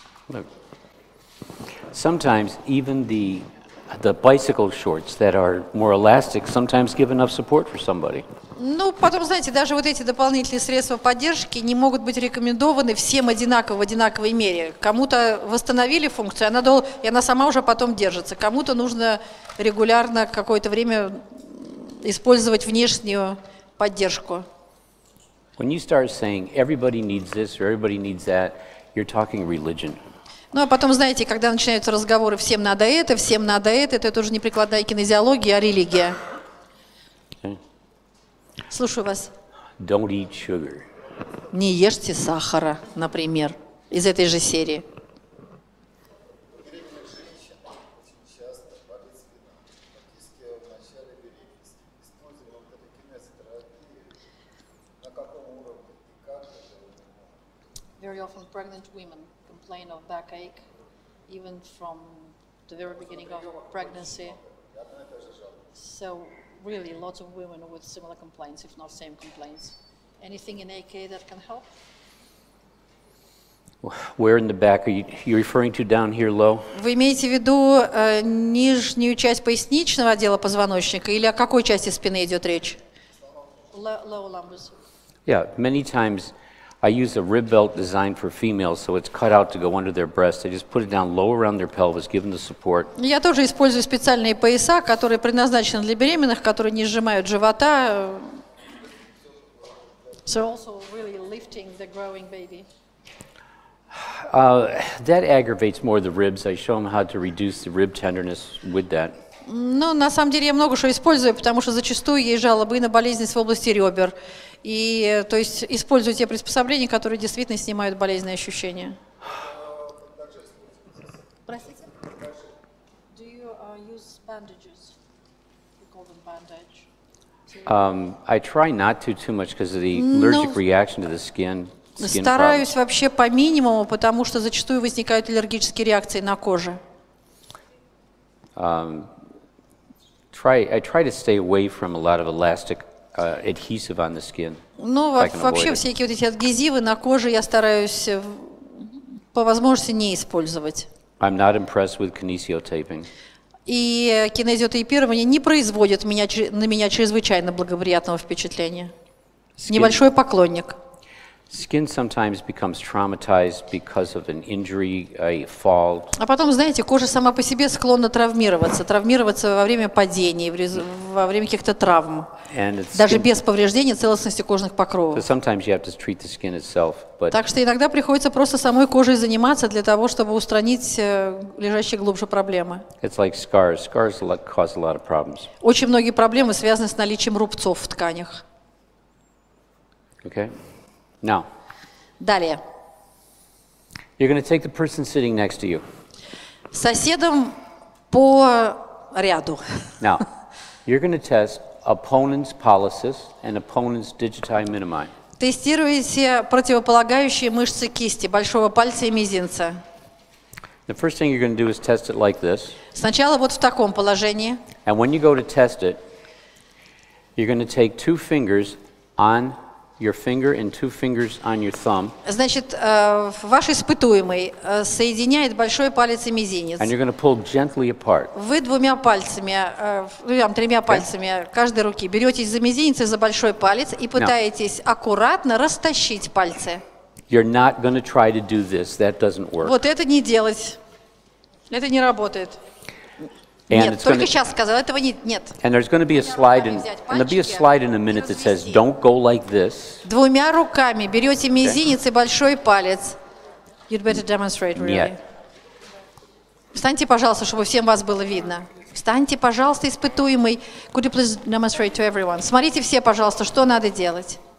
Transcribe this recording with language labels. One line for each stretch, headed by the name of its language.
English: Look, sometimes even the bicycle shorts that are more elastic sometimes give enough support for somebody.
Russian: Ну, потом, знаете, даже вот эти дополнительные средства поддержки не могут быть рекомендованы всем одинаково, в одинаковой мере. Кому-то восстановили функцию, и она сама уже потом держится. Кому-то нужно регулярно какое-то время использовать внешнюю поддержку.
English: When you start saying everybody needs this or everybody needs that, you're talking religion.
Russian: Ну, а потом, знаете, когда начинаются разговоры, всем надо это, это уже не прикладная кинезиология, а религия.
English: Okay.
Russian: Слушаю вас.
English: Don't eat sugar.
Russian: Не ешьте сахара, например, из этой же серии.
English: Very often pregnant women complain of backache even from the very beginning of pregnancy. So really lots of women with similar complaints, if not same complaints. Anything in AK that can help? Where in the back are you referring to down here low? Вы имеете в виду нижнюю часть поясничного отдела позвоночника или о какой части спины идет речь? Low lumbar. Yeah, many times I use a rib belt designed for females, so it's cut out to go under their breasts. I just put it down low around their pelvis, give them the support.
Russian: Я тоже использую специальные пояса, которые предназначены для беременных, которые не сжимают живота.
English: So also really lifting the growing baby. That aggravates more the ribs. I show them how to reduce the rib tenderness with that.
Russian: Ну, на самом деле я много что использую, потому что зачастую есть жалобы на болезненность в области ребер. И, то есть, использую те приспособления, которые действительно снимают болезненные ощущения. Простите?
English: Do you use bandages? You call them bandage? I try not to too much because of the allergic reaction to the skin.
Russian: Стараюсь вообще по минимуму, потому что зачастую возникают аллергические реакции на коже.
English: I try to stay away from a lot of elastic adhesive on the skin.
Russian: Ну, вообще всякие вот эти адгезивы на коже я стараюсь по возможности не использовать.
English: I'm not impressed with kinesiotaping.
Russian: И кинезиотейпирование не производит на меня чрезвычайно благоприятного впечатления.
English: Skin.
Russian: Небольшой поклонник.
English: Skin sometimes becomes traumatized because of an injury, a fall.
Russian: А потом, знаете, кожа сама по себе склонна травмироваться во время падений, во время каких-то травм. Даже без повреждения целостности кожных покровов.
English: So sometimes you have to treat the skin itself, but.
Russian: Так что иногда приходится просто самой кожей заниматься для того, чтобы устранить лежащие глубже проблемы.
English: It's like scars. Scars cause a lot of problems.
Russian: Очень многие проблемы связаны с наличием рубцов в тканях.
English: Okay. Now.
Russian: Далее.
English: You're going to take the person sitting next to you.
Russian: Соседом по ряду.
English: Now. You're going to test opponent's pollicis and opponent's digiti minimi.
Russian: Тестируете противополагающие мышцы кисти, большого пальца и мизинца.
English: The first thing you're going to do is test it like this.
Russian: Сначала вот в таком положении.
English: And when you go to test it, you're going to take two fingers on your finger and two fingers on your thumb.
Russian: Значит, ваш испытуемый соединяет большой палец и мизинец.
English: And you're going to pull gently apart.
Russian: Вы двумя пальцами, тремя пальцами каждой руки беретесь за мизинец и за большой палец и пытаетесь аккуратно растащить пальцы.
English: You're not going to try to do this. That doesn't work.
Russian: Вот это не делать. Это не работает. And нет, только сейчас сказал, этого нет.
English: And there's going to be a slide, and there'll be a slide in a minute that says, "Don't go like this."
Russian: Двумя руками берете мизинец и большой палец.
English: You'd better demonstrate, really.
Russian: Нет. Встаньте, пожалуйста, чтобы всем вас было видно. Встаньте, пожалуйста, испытуемый.
English: Could you please demonstrate to everyone?
Russian: Смотрите все, пожалуйста, что надо делать.